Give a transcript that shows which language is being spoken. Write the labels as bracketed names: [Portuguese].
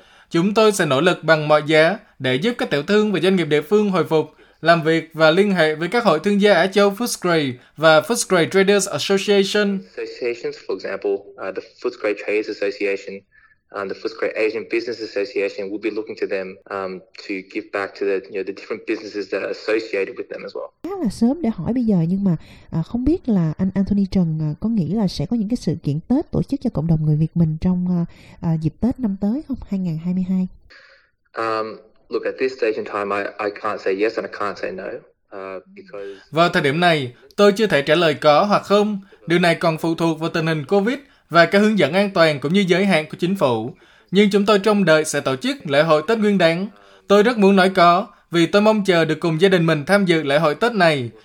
[Vietnamese] Chúng tôi sẽ nỗ lực bằng mọi giá để giúp các tiểu thương và doanh nghiệp địa phương hồi phục, làm việc và liên hệ với các hội thương gia Á Châu Footscray và Footscray Traders Association. [English] Associations, for example, the Footscray Traders Association and the Footscray Asian Business Association, will be looking to them to give back to the, you know, the different businesses that are associated with them as well. [Vietnamese] Khá là sớm để hỏi bây giờ, nhưng mà không biết là anh Anthony Trần có nghĩ là sẽ có những cái sự kiện Tết tổ chức cho cộng đồng người Việt mình trong dịp Tết năm tới không, 2022? [English] Look, at this stage in time, I can't say yes and I can't say no. [Vietnamese] Vào thời điểm này, tôi chưa thể trả lời có hoặc không. Điều này còn phụ thuộc vào tình hình COVID và các hướng dẫn an toàn cũng như giới hạn của chính phủ. Nhưng chúng tôi trông đợi sẽ tổ chức lễ hội Tết Nguyên Đán. Tôi rất muốn nói có, vì tôi mong chờ được cùng gia đình mình tham dự lễ hội Tết này.